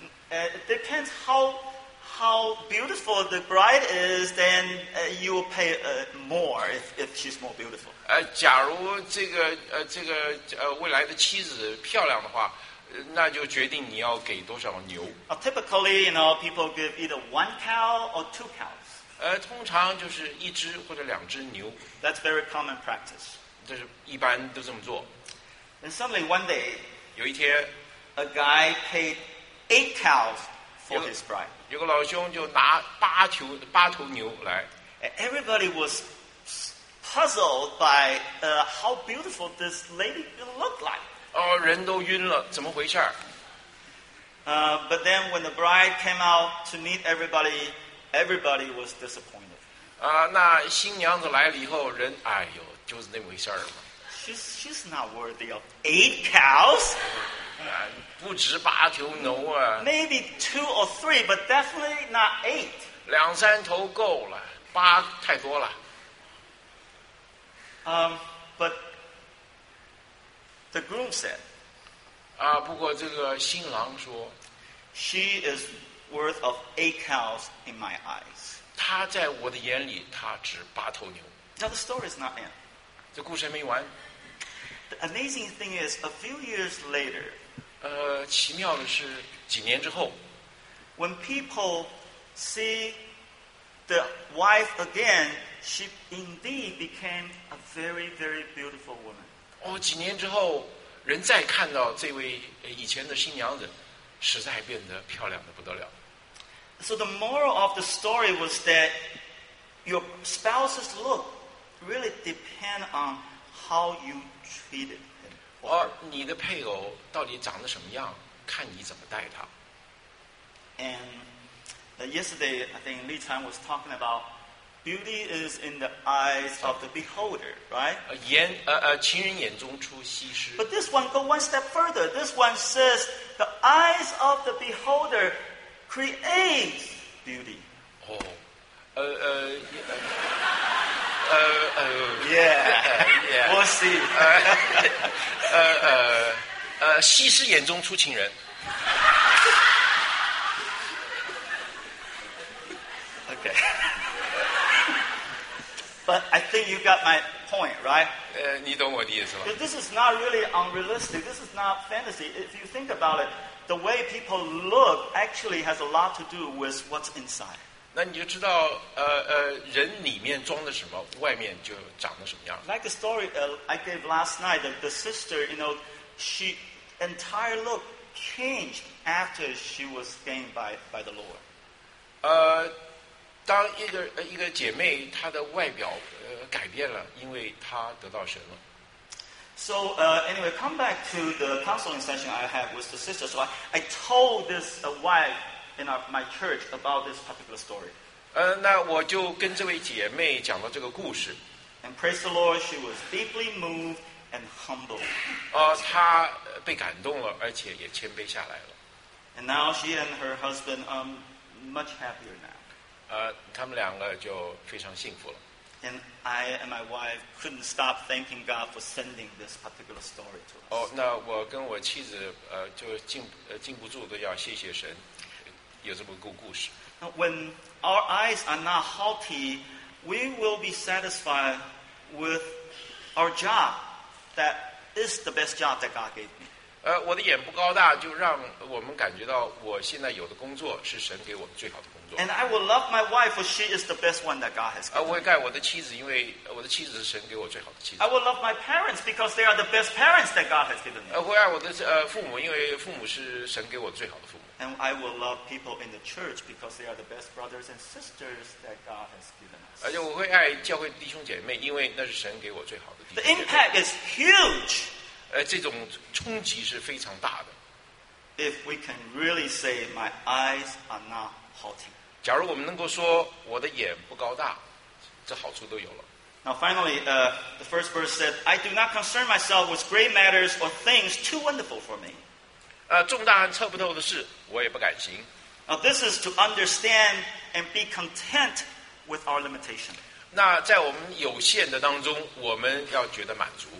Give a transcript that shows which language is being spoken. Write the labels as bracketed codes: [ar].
[en] It depends how beautiful the bride is, then you will pay more if she's more beautiful. [zh] 假如这个未来的妻子漂亮的话，那就决定你要给多少牛。 [en] Typically, you know, people give either one cow or two cows. [zh] 通常就是一只或者两只牛。 [en] That's very common practice. [zh] 这是一般都这么做。 [en] And suddenly one day, [zh] 有一天 [en] a guy paid eight cows for his bride. [zh] 有个老兄就拿八头牛来。 [en] Everybody was puzzled by how beautiful this lady looked like. [zh] 人都晕了，怎么回事儿？ [en] But then when the bride came out to meet everybody, everybody was disappointed. [zh] 那新娘子来了以后，人哎呦，就是那么回事儿嘛。 [en] She's not worthy of eight cows. [zh] 不止八头牛啊 [en] ！Maybe two or three, but definitely not eight. [zh] 两三头够了，八太多了。 [en] But the groom said. [zh] 不过这个新郎说 [en] ，She is worth of eight cows in my eyes. [zh] 她在我的眼里，她值八头牛。 [en] Now the story is not end. [zh] 这故事还没完。 [en] The amazing thing is, a few years later. [zh] 奇妙的是，几年之后 [en] ，When people see the wife again, she indeed became a very, very beautiful woman. [zh] 几年之后，人再看到这位以前的新娘子，实在变得漂亮的不得了。 [en] So the moral of the story was that your spouse's look really depend on how you treat it. [zh] 你的配偶到底长得什么样？看你怎么带他。 [en] And yesterday, I think Li Chan was talking about Beauty is in the eyes of the beholder, right? [zh] 情人眼中出西施。 [en] But this one go one step further. This one says the eyes of the beholder creates beauty. Oh, yeah. We'll see. [zh] 西施眼中出情人。 [en] Okay. But I think you got my point, right? [zh] 你懂我的意思吗？ [en] This is not really unrealistic. This is not fantasy. If you think about it, the way people look actually has a lot to do with what's inside. [zh] 那你就知道，人里面装的什么，外面就长得什么样。 [en] Like a story I gave last night, the sister, you know, she entire look changed after she was gained by the Lord. [zh] 当一个姐妹她的外表改变了，因为她得到神了。 [en] So anyway, come back to the counseling session I had with the sister. So I told this wife in my church about this particular story. [zh] 那我就跟这位姐妹讲了这个故事。 [en] And praise the Lord, she was deeply moved and humbled. [zh] 她被感动了，而且也谦卑下来了。 [en] And now she and her husband are much happier now. [zh] 他们两个就非常幸福了。 [en] And I and my wife couldn't stop thanking God for sending this particular story to us. [zh] 那我跟我妻子就禁不住的要谢谢神，有这么个故事。 [en] Now, when our eyes are not haughty, we will be satisfied with our job. That is the best job that God gave me. [zh] 我的眼不高大，就让我们感觉到我现在有的工作是神给我们最好的工作。 [en] And I will love my wife, for she is the best one that God has given. [zh] 我会爱我的妻子，因为我的妻子是神给我最好的妻子。 [en] I will love my parents because they are the best parents that God has given me. [zh] 我会爱我的父母，因为父母是神给我最好的父母。 [en] And I will love people in the church because they are the best brothers and sisters that God has given us. [zh] 而且我会爱教会弟兄姐妹，因为那是神给我最好的弟兄姐妹。 [en] The impact is huge. [zh] 这种冲击是非常大的。 [en] If we can really say, my eyes are not haughty. [zh] 假如我们能够说我的眼不高大，这好处都有了。 [en] Now finally, the first verse said, "I do not concern myself with great matters or things too wonderful for me." [zh] 重大测不透的事，我也不敢行。 [en] Now this is to understand and be content with our limitation. [zh] 那在我们有限的当中，我们要觉得满足。